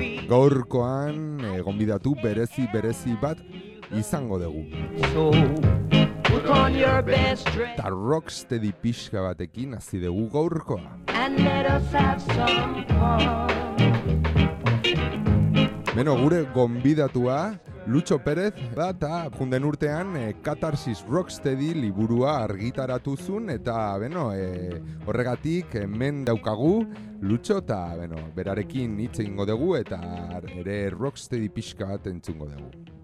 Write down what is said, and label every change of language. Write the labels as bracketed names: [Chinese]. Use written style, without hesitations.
[Basque] Gaurkoan, gonbidatu berezi berezi bat izango dugu. [English] So, put on your best dress. [Basque] Ta rocksteady pixka batekin hazi dugu gaurkoa. Beno, gure gonbidatua LUTXO PEREZ eta junden urtean Catarsis Rocksteady liburua argitaratuzun eta beno, horregatik hemen daukagu LUTXO eta beno, berarekin hitz egingo dugu eta ere Rocksteady pixka bat entzungo dugu.